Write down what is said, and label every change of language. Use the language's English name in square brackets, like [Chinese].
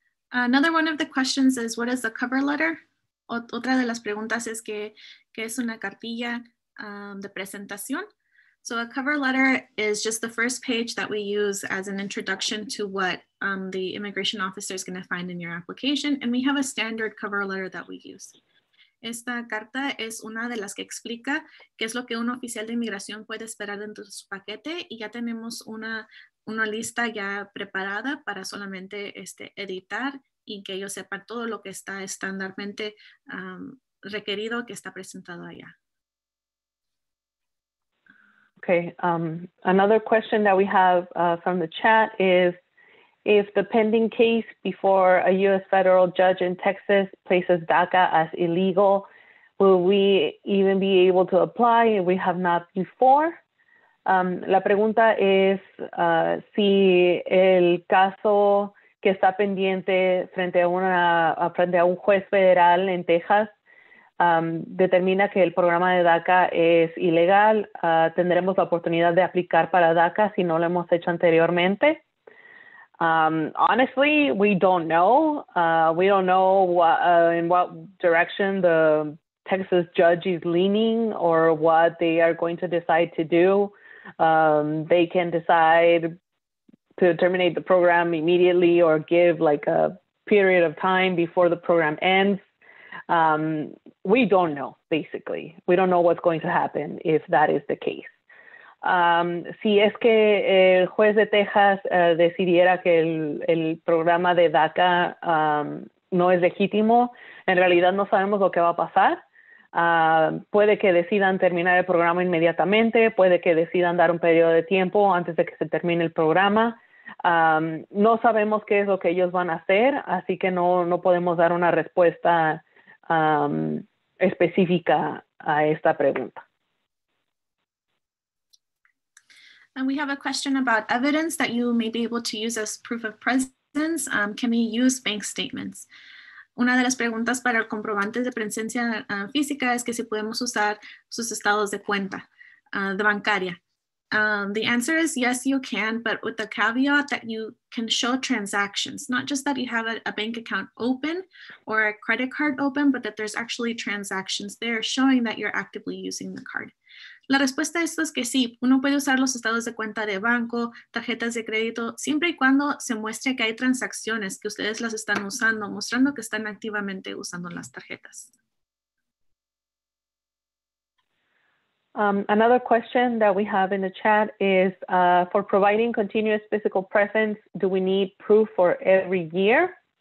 [English] Another one of the questions is, what is the cover letter? [Spanish] Otra de las preguntas es que es una cartilla de presentación. [English] So a cover letter is just the first page that we use as an introduction to what the immigration officer is going to find in your application. And we have a standard cover letter that we use. [Spanish] Esta carta es una de las que explica qué es lo que un oficial de inmigración puede esperar dentro de su paquete. Y ya tenemos una lista ya preparada para solamente editar y que ellos sepan todo lo que está estándarmente requerido que está presentado allá. [English] Okay, another question that we have from the chat is, if the pending case before a U.S. federal judge in Texas places DACA as illegal, will we even be able to apply if we have not before? [Spanish] La pregunta es si el caso que está pendiente frente a un juez federal en Texas determina que el programa de DACA es ilegal, tendremos la oportunidad de aplicar para DACA si no lo hemos hecho anteriormente. [English] Honestly, we don't know. We don't know in what direction the Texas judge is leaning or what they are going to decide to do. They can decide to terminate the program immediately or give like a period of time before the program ends. We don't know, basically. We don't know what's going to happen if that is the case. [Spanish] Si es que el juez de Texas decidiera que el programa de DACA no es legítimo, en realidad no sabemos lo que va a pasar. Puede que decidan terminar el programa inmediatamente, puede que decidan dar un periodo de tiempo antes de que se termine el programa. No sabemos qué es lo que ellos van a hacer, así que no podemos dar una respuesta específica a esta pregunta. [English] And we have a question about evidence that you may be able to use as proof of presence. Can we use bank statements? [Spanish] Una de las preguntas para el comprobante de presencia física es que si podemos usar sus estados de cuenta, de bancaria. [English] The answer is yes, you can, but with the caveat that you can show transactions, not just that you have a bank account open or a credit card open, but that there's actually transactions there showing that you're actively using the card. [Spanish] La respuesta a esto es que sí, uno puede usar los estados de cuenta de banco, tarjetas de crédito, siempre y cuando se muestre que hay transacciones, que ustedes las están usando, mostrando que están activamente usando las tarjetas. [English] Another question that we have in the chat is, for providing continuous physical presence, do we need proof for every year?